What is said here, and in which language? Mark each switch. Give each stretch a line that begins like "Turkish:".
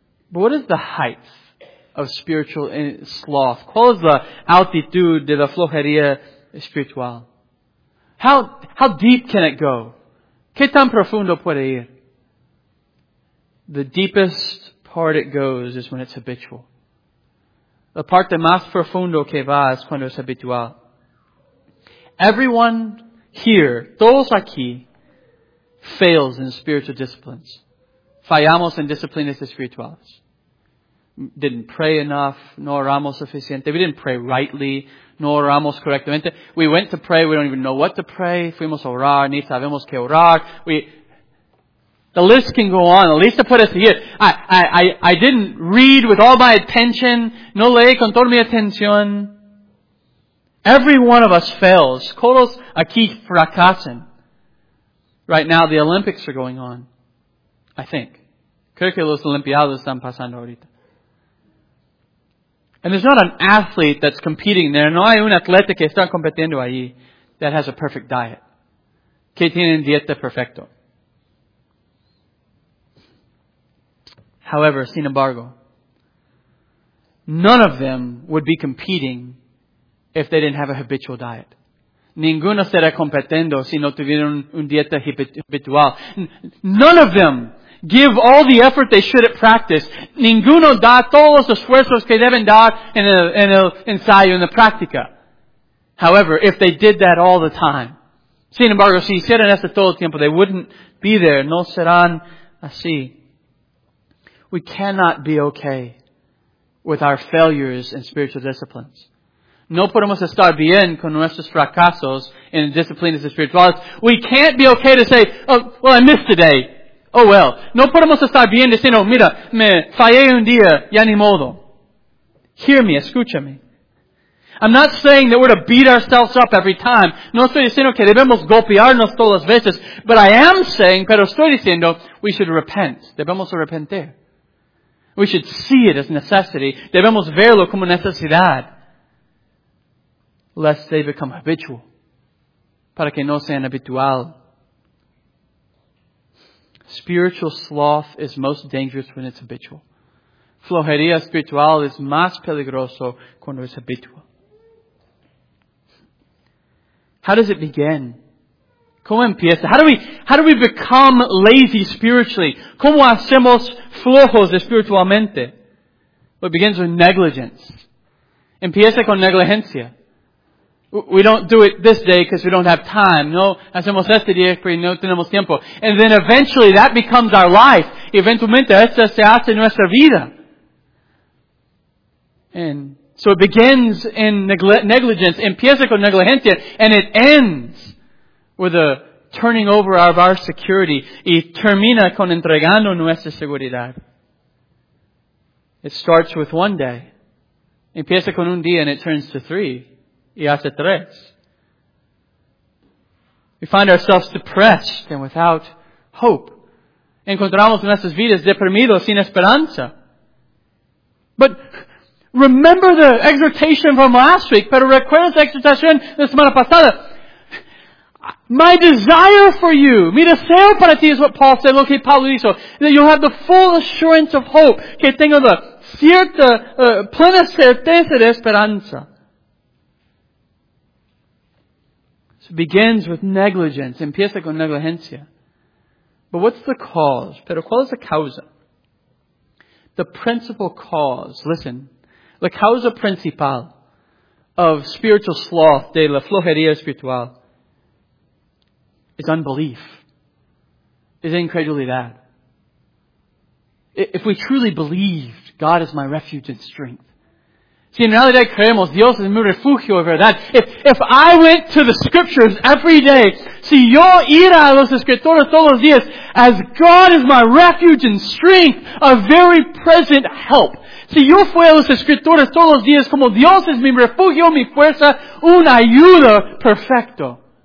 English: But what is the height of spiritual sloth?
Spanish: ¿Cuál es la altitud de la flojería espiritual?
English: How deep can it go?
Spanish: ¿Qué tan profundo puede ir?
English: The deepest part it goes is when it's habitual.
Spanish: La parte más profundo que va es cuando es habitual.
English: Everyone here,
Spanish: todos aquí,
English: fails in spiritual disciplines.
Spanish: Fallamos en disciplinas espirituales.
English: Didn't pray enough,
Spanish: no oramos suficiente.
English: We didn't pray rightly,
Spanish: no oramos correctamente.
English: We went to pray, we don't even know what to pray.
Spanish: Fuimos a orar, ni sabemos qué orar.
English: The list can go on, at least to put us here. I didn't read with all my attention.
Spanish: No leí con toda mi atención.
English: Every one of us fails.
Spanish: Todos aquí fracasan.
English: Right now the Olympics are going on. I think.
Spanish: Creo que los Olimpiados están pasando ahorita.
English: And there's not an athlete that's competing there.
Spanish: No hay un atleta que está competiendo allí
English: that has a perfect diet.
Spanish: Que tienen dieta perfecto.
English: However,
Spanish: sin embargo,
English: none of them would be competing if they didn't have a habitual diet.
Spanish: Ninguno será competiendo si no tuvieron un dieta habitual.
English: None of them give all the effort they should at practice.
Spanish: Ninguno da todos los esfuerzos que deben dar en el ensayo, en la práctica.
English: However, if they did that all the time,
Spanish: sin embargo, si hicieran eso todo el tiempo,
English: they wouldn't be there.
Spanish: No serán así.
English: We cannot be okay with our failures in spiritual disciplines.
Spanish: No podemos estar bien con nuestros fracasos en disciplinas espirituales.
English: We can't be okay to say, oh, well, I missed today. Oh, well.
Spanish: No podemos estar bien diciendo, mira, me fallé un día, ya ni modo.
English: Hear me,
Spanish: escúchame.
English: I'm not saying that we're to beat ourselves up every time.
Spanish: No estoy diciendo que debemos golpearnos todas las veces.
English: But I am saying,
Spanish: pero estoy diciendo,
English: we should repent.
Spanish: Debemos arrepentir.
English: We should see it as necessity.
Spanish: Debemos verlo como necesidad.
English: Lest they become habitual.
Spanish: Para que no sean habitual.
English: Spiritual sloth is most dangerous when it's habitual.
Spanish: Flojería espiritual es más peligroso cuando es habitual.
English: How does it begin?
Spanish: ¿Cómo empieza?
English: How do we become lazy spiritually?
Spanish: ¿Cómo hacemos flojos espiritualmente?
English: Well, it begins with negligence.
Spanish: Empieza con negligencia.
English: We don't do it this day because we don't have time.
Spanish: No hacemos este día porque no tenemos tiempo.
English: And then eventually that becomes our life.
Spanish: Eventualmente esta se hace nuestra vida.
English: And so it begins in negligence.
Spanish: Empieza con negligencia.
English: And it ends with a turning over of our security.
Spanish: Y termina con entregando nuestra seguridad.
English: It starts with one day.
Spanish: Empieza con un día
English: and it turns to three.
Spanish: Y hace tres.
English: We find ourselves depressed and without hope.
Spanish: Encontramos nuestras vidas deprimidos sin esperanza.
English: But remember the exhortation from last week.
Spanish: Pero recuerda la exhortación de la semana pasada.
English: My desire for you,
Spanish: mi deseo para ti
English: is what Paul said. Look,
Spanish: Pablo dijo
English: that you have the full assurance of hope.
Spanish: Que tenga la cierta, plena certeza de esperanza.
English: So it begins with negligence.
Spanish: Empieza con negligencia.
English: But what's the cause?
Spanish: Pero cuál es la causa?
English: The principal cause. Listen.
Spanish: La causa principal
English: of spiritual sloth,
Spanish: de la flojería espiritual,
English: is unbelief.
Spanish: Is incredulidad.
English: If we truly believed, God is my refuge and strength.
Spanish: Si en realidad creemos, Dios es mi refugio y verdad.
English: If I went to the scriptures every day,
Spanish: si yo iba a los escritores todos los días,
English: as God is my refuge and strength, a very present help.
Spanish: Si yo fui a los escritores todos los días, como Dios es mi refugio, mi fuerza, una ayuda perfecto.